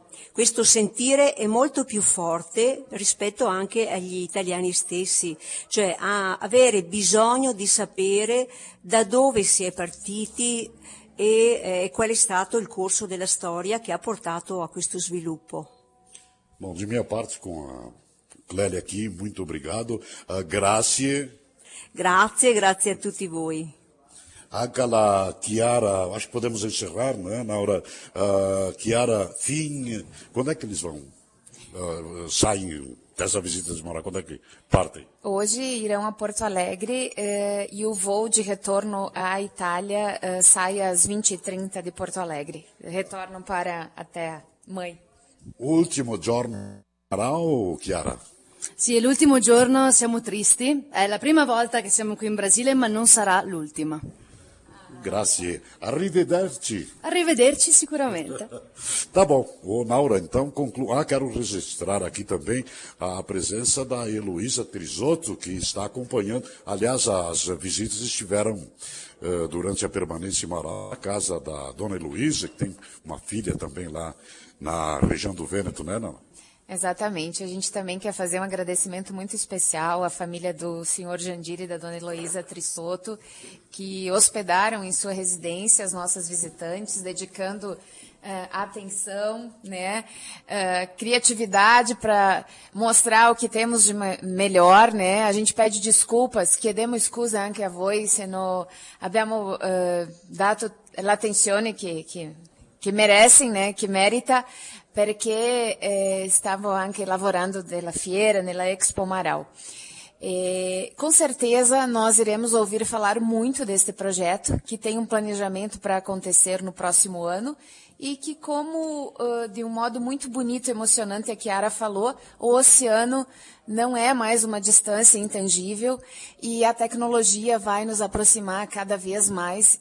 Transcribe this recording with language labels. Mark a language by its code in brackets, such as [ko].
[it] questo sentire è molto più forte rispetto anche agli italiani stessi, cioè a avere bisogno di sapere da dove si è partiti e qual è stato il corso della storia che ha portato a questo sviluppo. [pt] Bom, de minha parte, com a Clélia aqui, muito obrigado. [it] Grazie. Grazie, grazie a tutti voi. Anche la Chiara, [pt] acho que podemos encerrar, né, Naura? Chiara, fim, quando é que eles vão, saem dessa visita de Marau? Quando é que partem? Hoje irão a Porto Alegre e o voo de retorno à Itália sai às 20h30 de Porto Alegre. Retornam para a terra mãe. [it] Ultimo giorno di Marau, Chiara? Sì, è l'ultimo giorno, siamo tristi. È la prima volta che siamo qui in Brasile, ma non sarà l'ultima. Grazie. Arrivederci. Arrivederci sicuramente. [pt] Tá bom. O Naura, então, conclua. Ah, quero registrar aqui também a presença da Heloísa Trisotto, que está acompanhando. Aliás, as visitas estiveram durante a permanência em Marau, na casa da dona Heloísa, que tem uma filha também lá, na região do Vêneto, né, Nana? Exatamente. A gente também quer fazer um agradecimento muito especial à família do senhor Jandir e da dona Heloísa Trisotto, que hospedaram em sua residência as nossas visitantes, dedicando atenção, né, criatividade para mostrar o que temos de melhor, né? A gente pede desculpas, [it] chiedemo scusa anche a voi se não abbiamo dato l'attenzione che [pt] merecem, né, [it] che merita, perché stavo anche lavorando nella fiera, nella Expo Marau. [pt] E, com certeza, nós iremos ouvir falar muito deste projeto, que tem um planejamento para acontecer no próximo ano, e que, como de um modo muito bonito e emocionante a Chiara falou, o oceano não é mais uma distância intangível e a tecnologia vai nos aproximar cada vez mais.